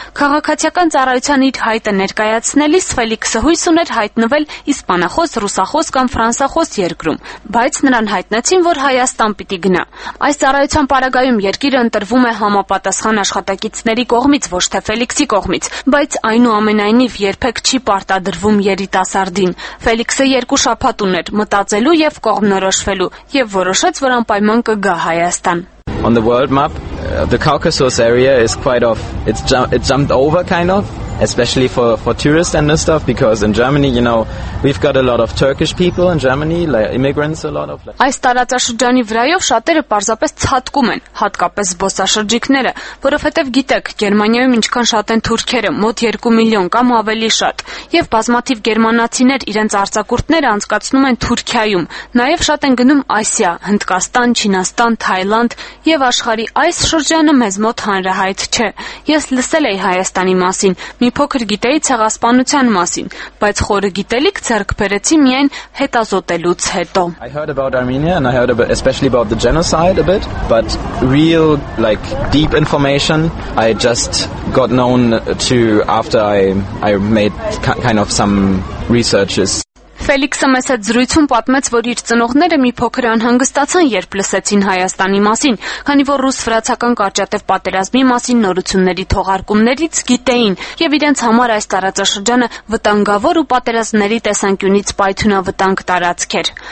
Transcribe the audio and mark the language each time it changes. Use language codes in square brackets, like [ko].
[hy] Քաղաքացիական ծառայության իր հայտը ներկայացնելիս Ֆելիքսը հույս ուներ հայտնվել իսպանախոս, ռուսախոս կամ ֆրանսախոս երկրում, բայց նրան հայտնեցին, որ Հայաստան պիտի գնա։ Այս ծառայության պարագայում երկիրը ընտրվում է համապատասխան աշխատակիցների կողմից, ոչ թե Ֆելիքսի կողմից, բայց այնուամենայնիվ երբեք չի պարտադրվում երիտասարդին։ Ֆելիքսը երկու շաբաթ ուներ՝ մտածելու եւ կողմնորոշվելու, եւ որոշեց, որ անպայման կգա Հայաստան։ [en] On the world map, the Caucasus area is quite off. It's jumped over kind of, especially for tourists and this stuff, because in Germany, you know, we've got a lot of Turkish people in Germany, like immigrants, a lot of like. [hy] Այս տարածաշրջանի վրայով շատերը պարզապես ցատկում են, հատկապես զբոսաշրջիկները, որովհետև գիտեք, Գերմանիայում ինչքան շատ են թուրքերը, մոտ 2 միլիոն կամ ավելի շատ, եւ բազմաթիվ գերմանացիներ իրենց արձակուրդները անցկացնում են Թուրքիայում, նաեւ շատ են գնում Ասիա, Հնդկաստան, Չինաստան, Թայլանդ, եւ աշխարի այս շրջանը մեզ մոտ հանրահայտ չէ։ Ես լսել եի Հայաստանի մասին, մի փոքր գիտեի ցեղասպանության մասին, բայց խորը գիտելիք ձեռք բերեցի միայն հետազոտելուց հետո։ [en] I heard about Armenia and I heard about, especially about the genocide a bit, but real like deep information I just got known to after I made kind of some researches. [hy] Ֆելիքսը մեզ հետ զրույցում պատմեց, որ իր ծնողները մի փոքր անհանգստացան, երբ լսեցին Հայաստանի մասին, քանի որ ռուս-վրացական կարճատև պատերազմի մասին նորությունների թողարկումներից գիտեին, եւ իրենց համար այս տարածաշրջանը վտանգավոր ու պատերազմների տեսանկյունից պայթունավտանգ տարածք էր։